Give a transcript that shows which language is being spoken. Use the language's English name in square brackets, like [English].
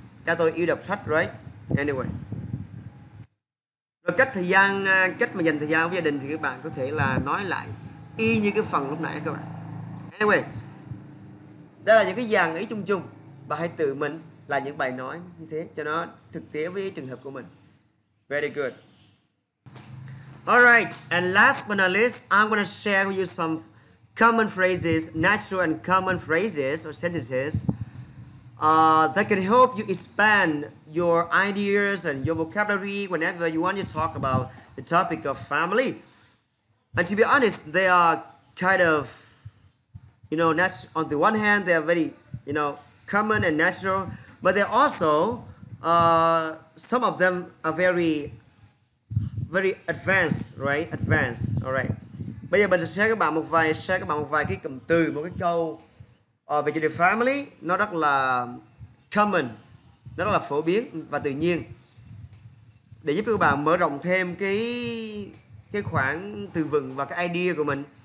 [Vietnamese] Cha tôi yêu đọc sách, right? Anyway. Rồi cách thời gian, cách mà dành thời gian với gia đình thì các bạn có thể là nói lại y như cái phần lúc nãy các bạn. Anyway, đây là những cái dàn ý chung chung. Bạn hãy tự mình là những bài nói như thế cho nó thực tế với trường hợp của mình. [English] Very good. Alright, and last but not least, I'm gonna share with you some common phrases, natural and common phrases or sentences that can help you expand your ideas and your vocabulary whenever you want to talk about the topic of family. And to be honest, they are kind of, on the one hand, they are very, common and natural, but they're also, some of them are very, very advanced, right? Advanced, all right. [Vietnamese] Bây giờ mình sẽ share các bạn một vài cái cụm từ, một cái câu về chủ đề family, nó rất là common, nó rất là phổ biến và tự nhiên, để giúp các bạn mở rộng thêm cái khoảng từ vựng và cái idea của mình.